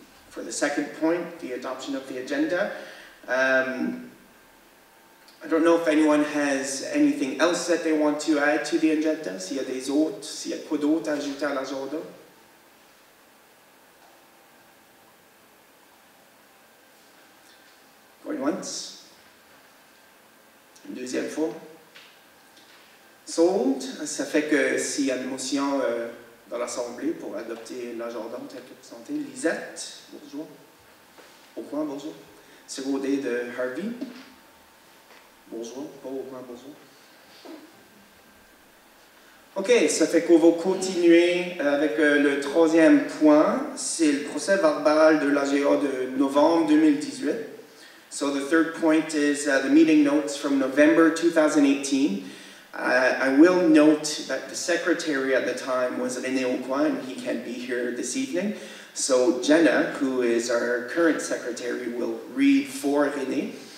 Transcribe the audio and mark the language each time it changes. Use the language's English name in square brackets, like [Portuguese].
[English] For the second point, the adoption of the agenda. I don't know if anyone has anything else that they want to add to the agenda. [French] S'il y a des autres, s'il y a quoi d'autre à ajouter à l'agenda? [English] Going once. [French] Une deuxième fois. [English] Sold. [French] Ça fait que s'il y a une motion dans l'Assemblée pour adopter l'agenda tel que présenté. Lisette, bonjour. Au coin, bonjour. C'est vos dés de Harvey. Bonjour, pas au moins bonjour. OK, ça fait qu'on va continuer avec le troisième point. C'est le procès verbal de l'AGA de novembre 2018. [English] So the third point is the meeting notes from November 2018. I will note that the secretary at the time was René Aucoin, and he can't be here this evening. So Jenna, who is our current secretary, will read for René.